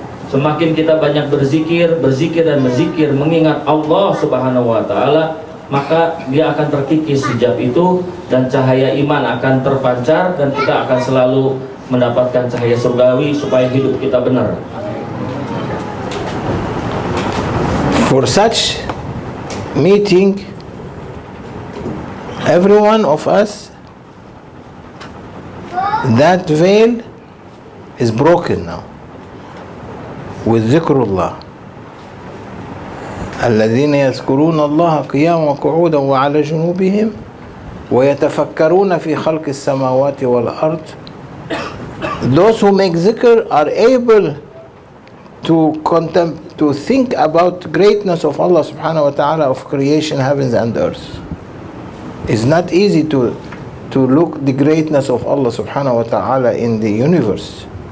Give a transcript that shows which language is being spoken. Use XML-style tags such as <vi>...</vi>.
<ms>Semakin kita banyak berzikir, berzikir dan berzikir mengingat Allah subhanahu wa ta'ala, maka dia akan terkikis hijab itu dan cahaya iman akan terpancar dan kita akan selalu mendapatkan cahaya surgawi supaya hidup kita benar.</ms> <en>For such meeting, every one of us, that veil is broken now with dhikrullah.</en> <ar>الذين يذكرون الله قياما وقعودا وعلى جنوبهم ويتفكرون في خلق السماوات والأرض.</ar> <en>Those who make zikr are able to to think about greatness of Allah subhanahu wa ta'ala, of creation, heavens and earth. It's not easy to look the greatness of Allah subhanahu wa ta'ala in the universe.</en>